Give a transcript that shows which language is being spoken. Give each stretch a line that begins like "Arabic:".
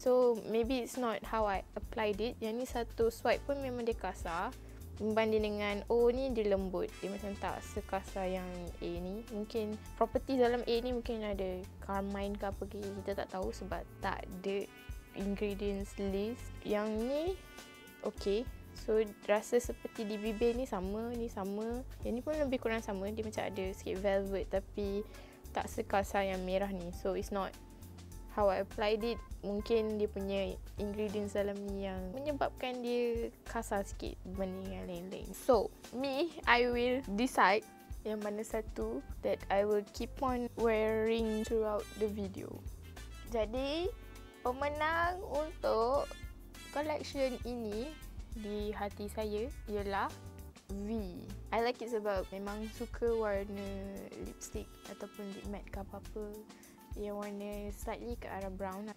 English: So maybe it's not how I applied it.
Malay: Yang ni satu swipe pun memang dia kasar. Berbanding dengan O ni dia lembut. Dia macam tak sekasar yang A ni. Mungkin property dalam A ni mungkin ada carmine ke apa ke. Kita tak tahu sebab tak ada ingredients list. Yang ni okay. So rasa seperti di bibir ni sama, ni sama. Yang ni pun lebih kurang sama. Dia macam ada sikit velvet tapi tak sekasar yang merah ni.
English: So it's not how I applied it.
Malay: Mungkin dia punya ingredients dalam ni yang menyebabkan dia kasar sikit berbanding yang lain-lain.
English: So me, I will decide
Malay: yang mana satu
English: that I will keep on wearing throughout the video.
Malay: Jadi pemenang untuk collection ini di hati saya ialah V.
English: I like it
Malay: sebab memang suka warna lipstick ataupun lip matte ke apa-apa yang warna slightly ke arah brown lah.